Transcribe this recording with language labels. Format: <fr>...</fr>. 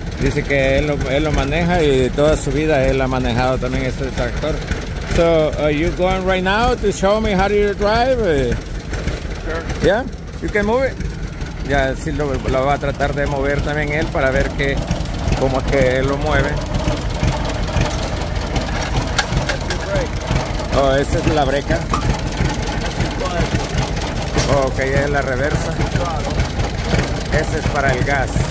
<es>Dice que él lo maneja y toda su vida él ha manejado también este tractor.</es> <en>So, are you going right now to show me how to drive? Sure. Yeah? You can move it?</en> <es>Ya,</es> <en>yeah,</en> <es>sí, lo va a tratar de mover también él para ver que, cómo es que él lo mueve.</es> <en>That's your brake.</en> <es>Oh, esa es la breca. Oh, ok, ya es la reversa. Ese es para el gas.</es>